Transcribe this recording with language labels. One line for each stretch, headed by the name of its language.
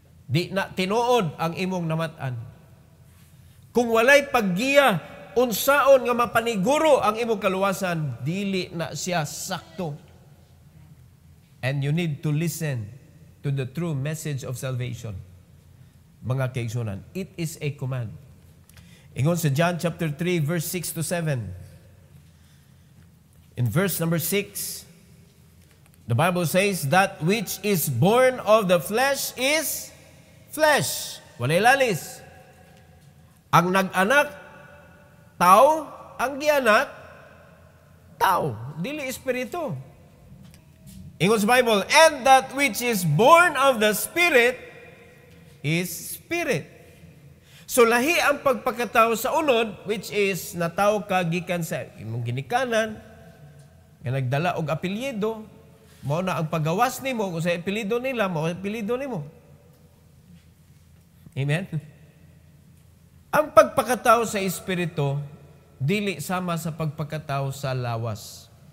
Cebuano: Di na tinuod ang imong namat-an. Kung walay paggiya, unsaon nga mapaniguro ang imong kaluwasan, dili na siya sakto.
English: And you need to listen to the true message of salvation.
Cebuano: Mga kaigsoonan,
English: it is a command.
Cebuano: Ingon sa John chapter 3, verse 6 to 7.
English: In verse number 6, the Bible says, that which is born of the flesh is flesh.
Cebuano: Walay lalis. Ang nag-anak, tao. Ang gianak, tao. Dili espiritu.
English: English Bible, and that which is born of the Spirit is Spirit.
Cebuano: So lahi ang pagpakatawo sa unod, which is natawo ka gikan sa imong ginikanan, nga nagdala og apelyido, mao na ang paggawas nimo kung sa apelyido nila, mao ang apelyido nimo. Amen. Ang pagpakatawo sa espiritu dili sama sa pagpakatawo sa lawas.